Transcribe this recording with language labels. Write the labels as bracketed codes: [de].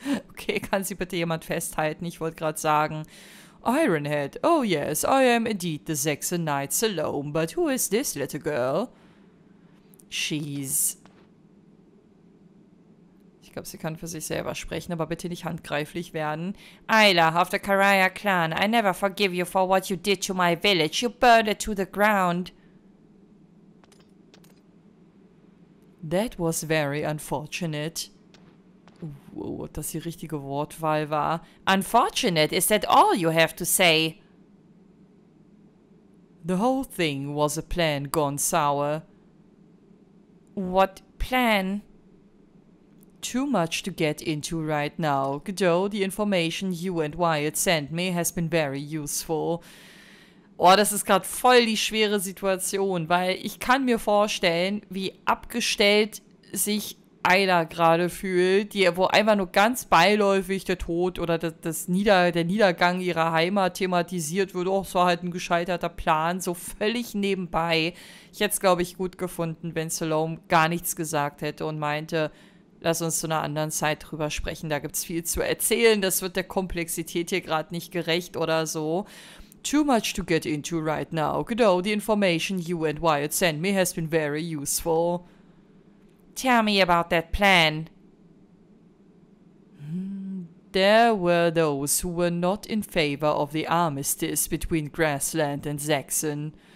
[de] Okay, kann sie bitte jemand festhalten? Ich wollte gerade sagen. [en] Ironhead, oh yes, I am indeed the Saxon Knight Salome. But who is this little girl? She's... [de] Ich glaube, sie kann für sich selber sprechen, aber bitte nicht handgreiflich werden. [en] Ayla of the Karaya Clan, I never forgive you for what you did to my village. You burned it to the ground. That was very unfortunate. [de] Oh, dass die richtige Wortwahl war. Unfortunate? [en] Is that all you have to say? The whole thing was a plan gone sour. What plan? Too much to get into right now. Gedo, the information you and Wyatt sent me has been very useful. [de] Oh, das ist gerade voll die schwere Situation, weil ich kann mir vorstellen, wie abgestellt sich Ayla gerade fühlt, die, wo einfach nur ganz beiläufig der Tod oder der Niedergang ihrer Heimat thematisiert wird. Oh, so halt ein gescheiterter Plan, so völlig nebenbei. Ich hätte es, glaube ich, gut gefunden, wenn Salome gar nichts gesagt hätte und meinte, lass uns zu einer anderen Zeit drüber sprechen. Da gibt es viel zu erzählen. Das wird der Komplexität hier gerade nicht gerecht oder so. [en] Too much to get into right now. Gedo, the information you and Wyatt sent me has been very useful. Tell me about that plan. There were those who were not in favor of the armistice between Grassland and Saxon.